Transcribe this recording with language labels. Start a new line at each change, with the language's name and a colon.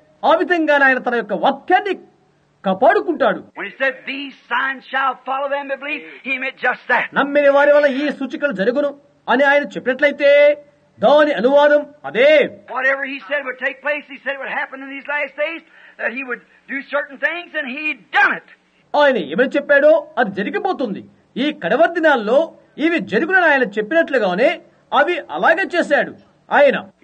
Telugu: ఆ విధంగా ఆయన తన యొక్క వాక్యాన్ని కాపాడుకుంటాడు.
English: When he said these signs shall follow them that believe, he meant just that.
Telugu: నమ్మిన వారి వల్ల ఈ సూచకులు జరుగును అని ఆయన చెప్పినట్లయితే దాని అనువాదం అదే.
English: Whatever he said would take place, he said it would happen in these last days, that he would do certain things and he done it.
Telugu: ఆయన ఏమని చెప్పాడో అది జరిగిపోతుంది. ఈ కడవ దినాల్లో ఇవి జరుగునని ఆయన చెప్పినట్లుగానే అవి అలాగే చేశాడు ఆయన.